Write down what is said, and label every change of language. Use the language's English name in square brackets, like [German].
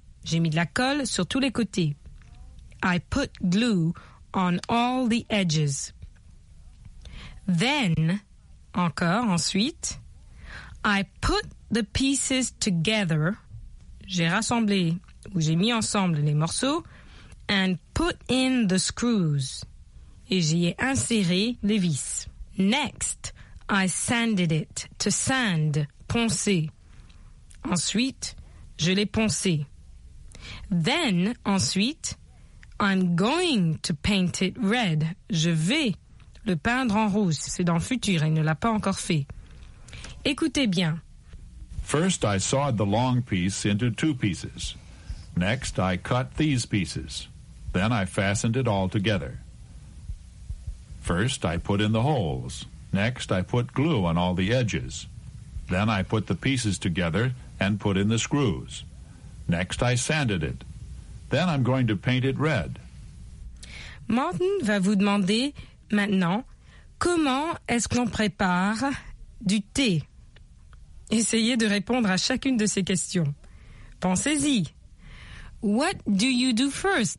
[French] J'ai mis de la colle sur tous les côtés. [English] I put glue on all the edges. Then, [French] encore, ensuite, [English] I put the pieces together. [French] J'ai rassemblé ou j'ai mis ensemble les morceaux. [English] And put in the screws. [French] Et j'y ai inséré les vis. [English] Next, I sanded it. To sand, poncer. [French] Ensuite, je l'ai poncé. [English] Then, [French] ensuite, [English] I'm going to paint it red. [French] Je vais le peindre en rouge. C'est dans le futur, il ne l'a pas encore fait. Écoutez bien. [English] First, I sawed the long piece into two pieces. Next, I cut these pieces. Then I fastened it all together. First, I put in the holes. Next, I put glue on all the edges. Then I put the pieces together and put in the screws. Next, I sanded it. Then I'm going to paint it red. [French] Martin va vous demander maintenant comment est-ce qu'on prépare du thé. Essayez de répondre à chacune de ces questions. Pensez-y. [English] What do you do first?